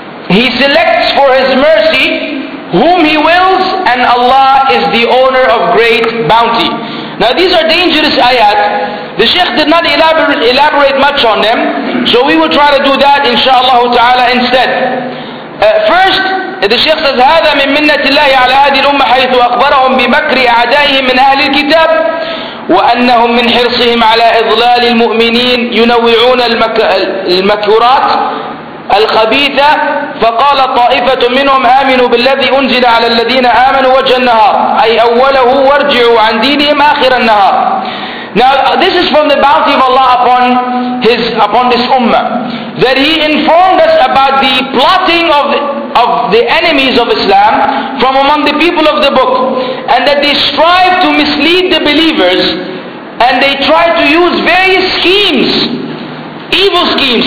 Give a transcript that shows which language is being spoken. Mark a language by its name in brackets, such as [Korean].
[English] He selects for His mercy whom He wills, and Allah is the owner of great bounty. Now these are dangerous ayat. The Shaykh did not elaborate much on them, so we will try to do that inshaAllah ta'ala instead. First, the Shaykh says, [Arabic] هَذَا مِن مِنَّةِ اللَّهِ عَلَىٰ هَذِي الْأُمَّةِ حَيْثُ أَخْبَرَهُمْ بِمَكْرِ أَعْدَائِهِمْ مِنْ أَهْلِ الْكِتَابِ وَأَنَّهُمْ مِنْ حِرْصِهِمْ عَلَىٰ إِضْلَالِ الْمُؤْمِنِينَ يُنَوِّعُونَ الْمَكْرَاتِ الخبيثة فقال طائفة منهم آمنوا بالذي أنزل على الذين آمنوا وجه النهار أي أوله وارجعوا عن دينهم آخر النهار. [English] Now this is from the bounty of Allah upon this ummah, that He informed us about the plotting of the enemies of Islam from among the people of the book, and that they strive to mislead the believers, and they try to use various schemes, evil schemes.